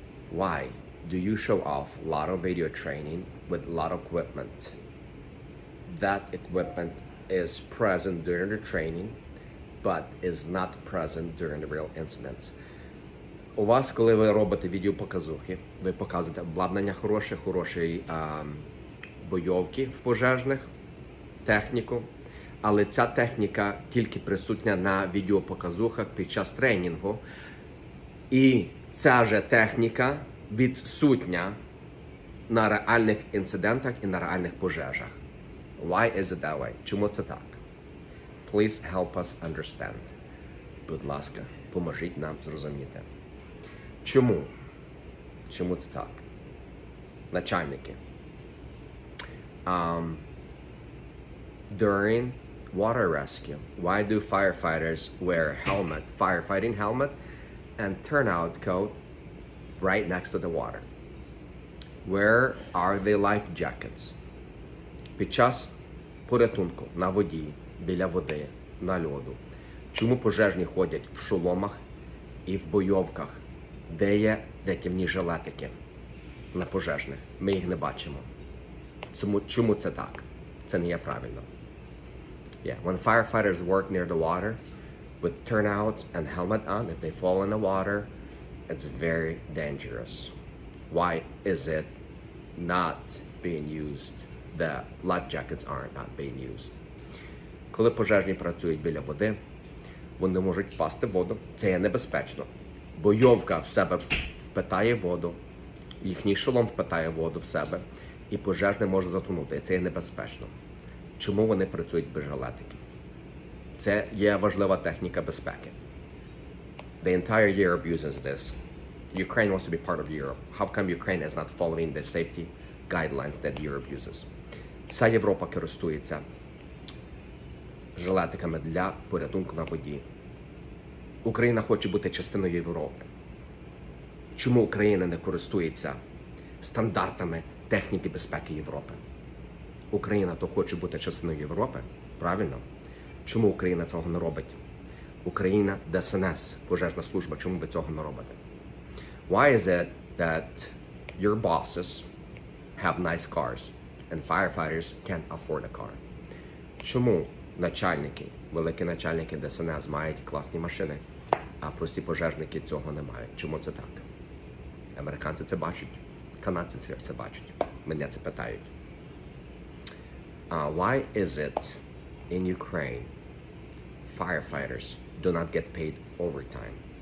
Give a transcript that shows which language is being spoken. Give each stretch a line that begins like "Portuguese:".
English: Why do you show off a lot of video training with a lot of equipment? That equipment is present during the training, but is not present during the real incidents.
Ukrainian: У вас, коли ви робите відеопоказухи, ви показуєте обладнання хороше, хорошої бойовки в пожежних, техніку, але ця техніка тільки присутня на відеопоказухах під час тренінгу, і ця же техніка відсутня на реальних інцидентах і на реальних пожежах.
English: Why is it that way?
Ukrainian: Чому це так?
English: Please help us understand.
Ukrainian: Будь ласка, поможіть нам зрозуміти. Чому? Чому це так? Начальники.
English: During water rescue, why do firefighters wear helmet, firefighting helmet, and turnout coat right next to the water? Where are the life jackets?
Ukrainian: Під час порятунку на воді, біля води, на льоду. Чому пожежні ходять в шоломах і в бойовках? Де є рятівні жилетики на пожежних? Ми їх не бачимо. Чому це так? Це не є правильно.
English: Yeah, when firefighters work near the water with turnouts and helmet on, if they fall in the water, it's very dangerous. Why is it not being used? The life jackets are not being used.
Ukrainian: Коли пожежні працюють біля води, вони можуть впасти в воду. Це є небезпечно. Бойовка в себе впитає воду, їхній шолом впитає воду в себе, і пожежний може затонути. Це є небезпечно. Чому вони працюють без жилетиків? Це є важлива техніка безпеки.
English: The entire Europe uses this. Ukraine wants to be part of Europe. How come Ukraine is not following the safety guidelines that Europe uses?
Ukrainian: Вся Європа користується жилетиками для порятунку на воді. Україна хоче бути частиною Європи. Чому Україна не користується стандартами техніки безпеки Європи? Україна то хоче бути частиною Європи, правильно? Чому Україна цього не робить? Україна ДСНС, пожежна служба, чому ви цього не робите?
English: Why is it that your bosses have nice cars and firefighters can't afford a car?
Ukrainian: Чому начальники, великі начальники ДСНС мають класні машини, а прості пожежники цього не мають? Чому це так? Американці це бачать, канадці це бачать, мене це питають.
English: Why is it in Ukraine firefighters do not get paid overtime?